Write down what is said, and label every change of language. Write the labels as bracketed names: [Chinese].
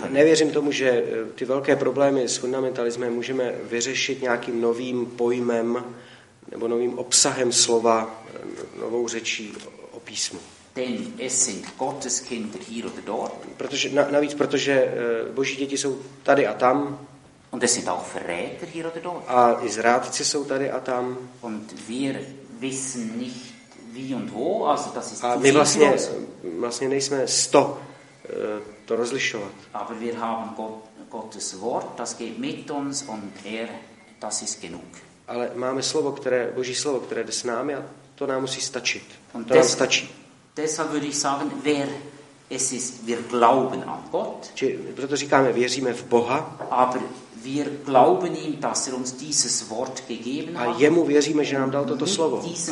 [Czech] Ale nevěřím tomu, že ty velké problémy s fundamentalismem můžeme vyřešit nějakým novým pojmem nebo novým obsahem slova, novou řečí o písmu. [German] Denn es sind Gottes Kinder hier oder dort. [Czech] Protože navíc, protože boží děti jsou tady a tam. [German] Und es sind auch Verräter hier oder dort. [Czech] A i zrádci jsou tady a tam. [German] Und wir wissen nicht, wie und wo, also das ist [Czech] a my vlastně nejsme sto to rozlišovat. [German] Aber wir haben Gottes Wort, das geht mit uns und er, das ist genug. [Czech] ale máme slovo, které Boží slovo, které jde s námi, a to nám musí stačit. [German] Und [Czech] to nám stačí. [German] Deshalb würde ich sagen, wer es ist, wir glauben an Gott. [Czech] Čili proto říkáme, věříme v Boha. [German] Aber wir glauben ihm, dass er uns dieses Wort gegeben hat. [Czech] A jemu věříme, že nám dal toto slovo.